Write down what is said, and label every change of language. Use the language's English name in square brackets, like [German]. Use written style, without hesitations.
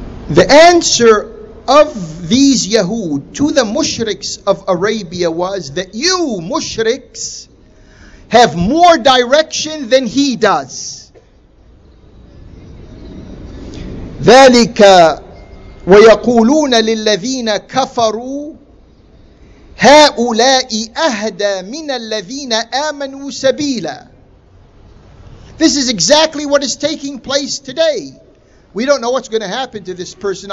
[English] The answer of these Yahud to the mushriks of Arabia was that you mushriks have more direction than he does. [Arabic] ذلك ويقولون للذين كفروا هؤلاء أهدى من الذين آمنوا سبيلا. [English] This is exactly what is taking place today. We don't know what's going to happen to this person.